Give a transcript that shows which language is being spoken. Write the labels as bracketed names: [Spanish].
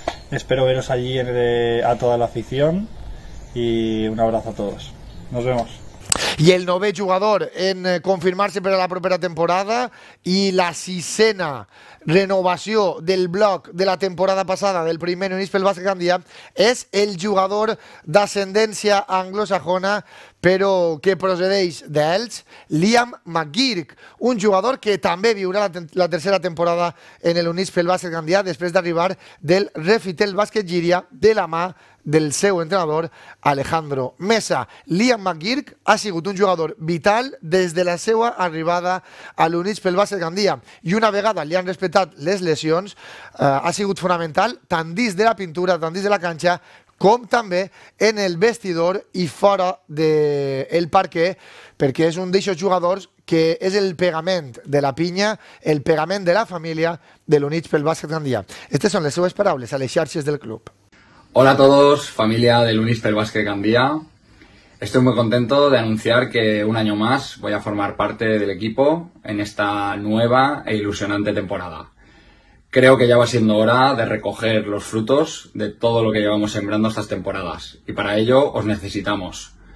[Spanish] Espero veros allí a toda la afición, y un abrazo a todos. Nos vemos. [Catalan] I el nou jugador en confirmar-se per a la propera temporada i la sisena renovació del bloc de la temporada passada del Proinveni Units pel Bàsquet Gandia és el jugador d'ascendència anglosajona però que procedeix d'Elx, Liam McGeerk, un jugador que també viurà la tercera temporada en l'Units pel Bàsquet Gandia després d'arribar del Refitel Bàsquet Llíria de la mà del seu entrenador, Alejandro Mesa. Liam McGeerk ha sigut un jugador vital des de la seva arribada a l'Units pel Bàsquet Gandia, i una vegada li han respectat les lesions, ha sigut fonamental tant dins de la pintura, tant dins de la canxa, com també en el vestidor i fora del parquet, perquè és un d'aquests jugadors que és el pegament de la pinya, el pegament de la família de l'Units pel Bàsquet Gandia. Aquestes són les seves paraules a les xarxes del club. [Spanish] Hola a todos, familia del Unisper Basket Gambia. Estoy muy contento de anunciar que un año más voy a formar parte del equipo en esta nueva e ilusionante temporada. Creo que ya va siendo hora de recoger los frutos de todo lo que llevamos sembrando estas temporadas y para ello os necesitamos.